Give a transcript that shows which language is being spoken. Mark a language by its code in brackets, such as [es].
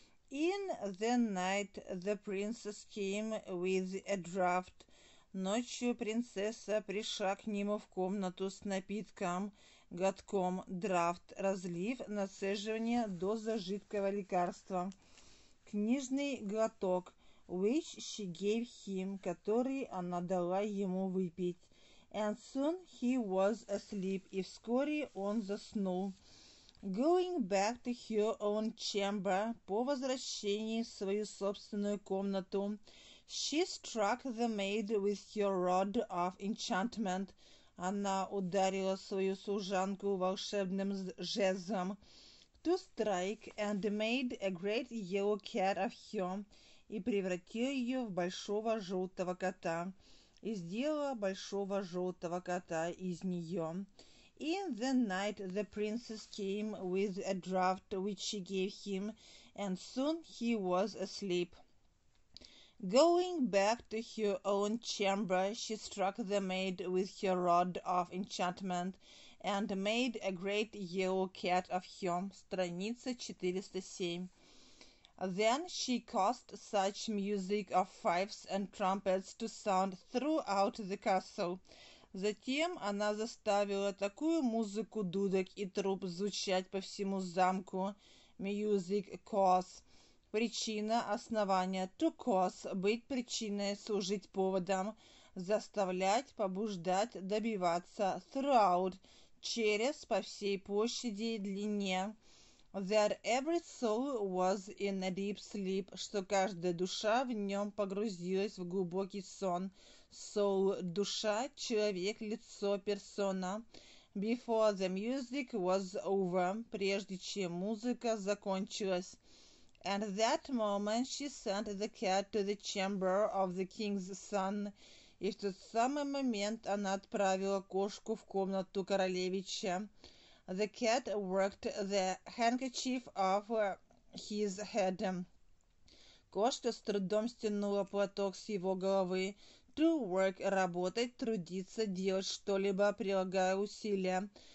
[en] In the night the princess came with a draught. [ru] Ночью принцесса пришла к нему в комнату с напитком, глотком, драфт, разлив, насаживание, доза жидкого лекарства. Книжный глоток, [en] which she gave him, [ru] который она дала ему выпить. [en] And soon he was asleep, [ru] и вскоре он заснул. [en] Going back to her own chamber, [ru] по возвращении в свою собственную комнату, [en] she struck the maid with her rod of enchantment. [ru] Она ударила свою служанку волшебным жезлом. [en] To strike and made a great yellow cat of her, [ru] и превратила ее в большого желтого кота. И сделала большого желтого кота из нее. [en] In the night the princess came with a draught which she gave him, and soon he was asleep. Going back to her own chamber, she struck the maid with her rod of enchantment and made a great yellow cat of him. [ru] Страница 407. [en] Then she caused such music of fifes and trumpets to sound throughout the castle. [ru] Затем она заставила такую музыку дудок и труб звучать по всему замку. [en] Music cause. [ru] Причина, основание. [en] To cause. [ru] Быть причиной, служить поводом. Заставлять, побуждать, добиваться. [en] Throughout. [ru] Через, по всей площади и длине. [en] That every soul was in a deep sleep, [ru] что каждая душа в нем погрузилась в глубокий сон. Soul – душа, человек, лицо, персона. [en] Before the music was over, [ru] прежде чем музыка закончилась. [en] And that moment she sent the cat to the chamber of the king's son. [ru] И в тот самый момент она отправила кошку в комнату королевича. [en] The cat worked the handkerchief off his head. [ru] Кошка с трудом стянула платок с его головы. To work – работать, трудиться, делать что-либо, прилагая усилия.